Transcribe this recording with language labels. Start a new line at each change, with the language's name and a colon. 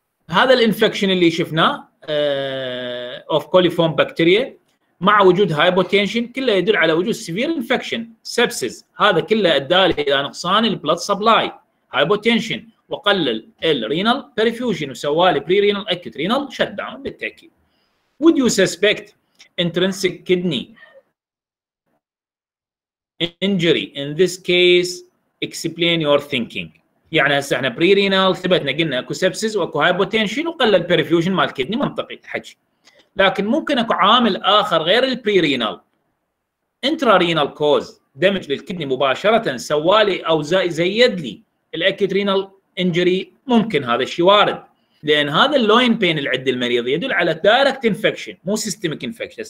Arabic: هذا الانفكشن اللي شفناه اوف كوليفورم بكتيريا مع وجود هايبوتينشن كله يدل على وجود سيفير انفكشن سبسيس, هذا كله ادى الى نقصان البلد سبلاي هايبوتينشن وقلل الرينال بيرفيوجن وسوى لي بري رينال اكيوت رينال شت داون بالتاكيد.
English: Would you suspect intrinsic kidney injury in this case, explain your thinking.
Arabic: يعني هسه احنا بري رينال ثبتنا قلنا اكو سبسيس واكو هايبوتينشن وقلل بيرفيوجن مال كيدني منطقي حكي, لكن ممكن اكو عامل اخر غير البري رينال انترا رينال كوز دمج للكدني مباشره سوالي او زيد لي الاكيوت رينال انجري, ممكن هذا الشيء وارد لان هذا اللوين بين العد المريض يدل على دايركت انفكشن مو سيستميك انفكشن.